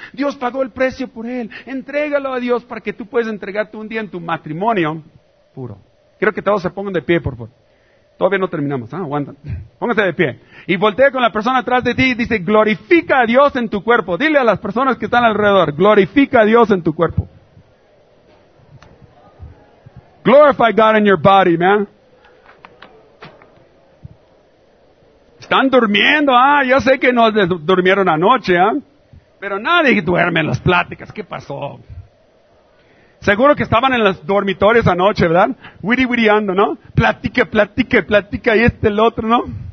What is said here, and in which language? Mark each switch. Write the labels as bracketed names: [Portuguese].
[Spanish] Dios pagó el precio por él. Entrégalo a Dios para que tú puedas entregarte un día en tu matrimonio puro. Quiero que todos se pongan de pie, por favor. Todavía no terminamos, ¿eh? Aguantan. Pónganse de pie. Y voltea con la persona atrás de ti y dice, glorifica a Dios en tu cuerpo. Dile a las personas que están alrededor, glorifica a Dios en tu cuerpo. [English] Glorify God in your body, man. [Spanish] Están durmiendo, ¿eh? Yo sé que no durmieron anoche, ¿eh? Pero nadie duerme en las pláticas. ¿Qué pasó? Seguro que estaban en los dormitorios anoche, ¿verdad? Wiri-wiriando, ¿no? Platique y este el otro, ¿no?